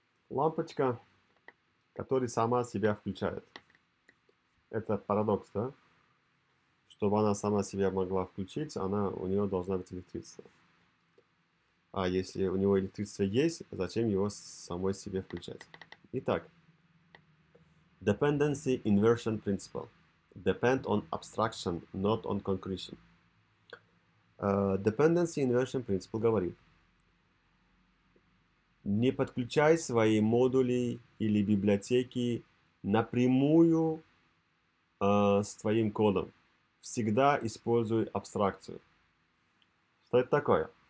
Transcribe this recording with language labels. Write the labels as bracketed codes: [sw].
[ru] Лампочка, которая сама себя включает. Это парадокс, да? Чтобы она сама себя могла включить, у нее должна быть электричество. А если у него электричество есть, зачем его самой себе включать? [en] Итак, Dependency Inversion Principle. Depend on abstraction, not on concretion. [ru] Dependency Inversion Principle говорит, не подключай свои модули или библиотеки напрямую с твоим кодом. Всегда используй абстракцию. Что это такое?